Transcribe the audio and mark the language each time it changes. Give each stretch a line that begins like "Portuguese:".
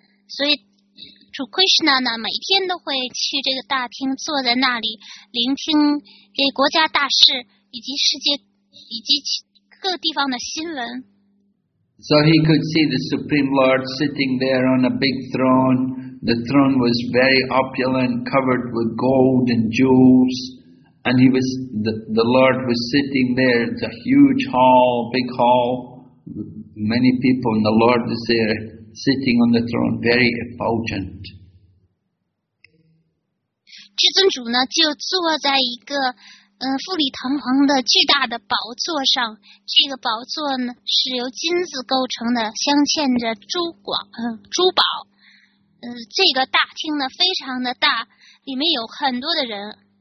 Chinese: 所以主 Krishna 呢每天都会去这个大厅坐在那里聆听这国家大事以及世界以及各地方的新闻。
English: So he could see the Supreme Lord sitting there on a big throne. The throne was very opulent, covered with gold and jewels. And the Lord was sitting there. It's a huge hall, big hall. Many people, and the Lord is there, sitting on the throne, very effulgent.
Chinese: 至尊主呢，就坐在一个富丽堂皇的巨大的宝座上，这个宝座呢是由金子构成的，镶嵌着珠宝。这个大厅呢非常的大，里面有很多的人。